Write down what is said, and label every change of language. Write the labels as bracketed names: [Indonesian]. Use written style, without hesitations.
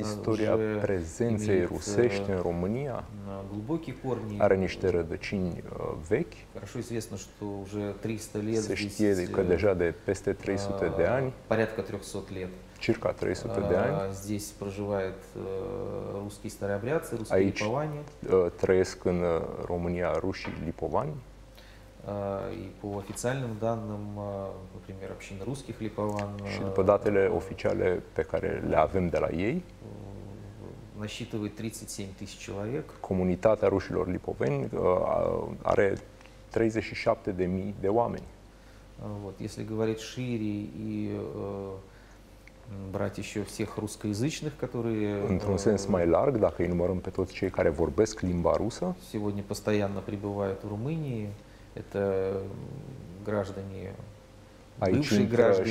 [Russian] история [Romanian] prezenței rusești în România. [Russian] Глубокие корни. [Romanian] Are niște rădăcini vechi. [Russian] Хорошо известно, что уже 300 лет здесь. [Romanian] Se știe că deja de peste 300 de ani. [Russian] Порядка 300 лет. [Romanian] Circa 300 de ani. [Russian] Здесь проживают русские старообрядцы, русские липовани. [Romanian] Trăiesc în România ruși lipovani. [Russian] И по официальным данным, например, община русских липован. [Romanian] Și după datele oficiale pe care le avem de la ei, [Russian] насчитывает 37.000 человек. [Romanian] Comunitatea rușilor lipoveni are 37.000 de oameni. [Russian] Вот, если говорить шире и брать еще всех русскоязычных, которые [Romanian] într-un sens mai larg, dacă îi numărăm pe toți cei care vorbesc limba rusă, [Russian] сегодня постоянно пребывают в Румынии, это граждане, бывшие граждане